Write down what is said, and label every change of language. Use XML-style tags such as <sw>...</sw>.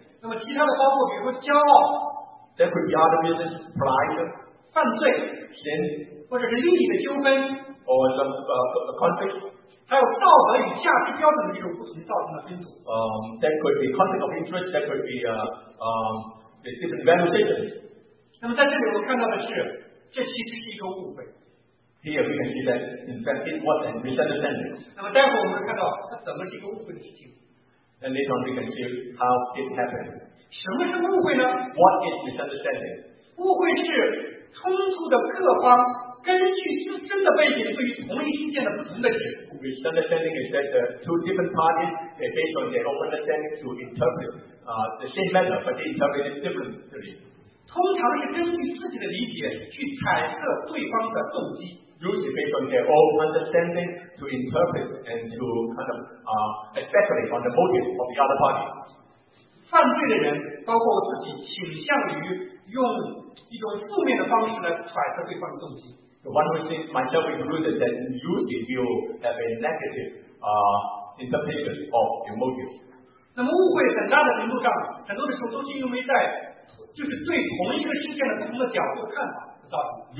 <zh>那么其他的包括比如说骄傲</zh> <en>there could be other reasons, pride,</en> <zh>犯罪</zh> <en>sin,</en> <zh>或者是利益的纠纷</zh> <en>or some, conflict,</en> <zh>还有道德与价值标准的这种不同造成的冲突</zh> <en>there could be conflict of interest, there could be different valuations.</en> <zh>那么在这里我们看到的是这其实是一个误会</zh> <en>Here we can see that, in fact, it was a misunderstanding.</en> <zh>那么待会我们会看到它怎么是一个误会的事情。</zh> <en>And later on we can see how it happened.</en> <zh>什么是误会呢</zh> <en>？What is misunderstanding?</en> <zh>误会是冲突的各方根据自身的背景对于同一事件的不同的解读。</zh> <en>Misunderstanding is that the two different parties, based on their own understanding, to interpret the same matter, but they interpret it differently.</en> <zh>通常是根据自己的理解去揣测对方的动机。</zh> <en>Usually based on their own understanding to interpret and to kind of especially on the motives of the other party.</en> <zh>犯罪的人包括我自己倾向于用一种负面的方式来揣测对方的动机。</zh> <en>The one who thinks myself is a loser that usually will have a negative interpretation of the motives.</en> <zh>那么误会很大的程度上，很多的时候都是因为在就是对同一个事件的不同的角度看法造成。</zh>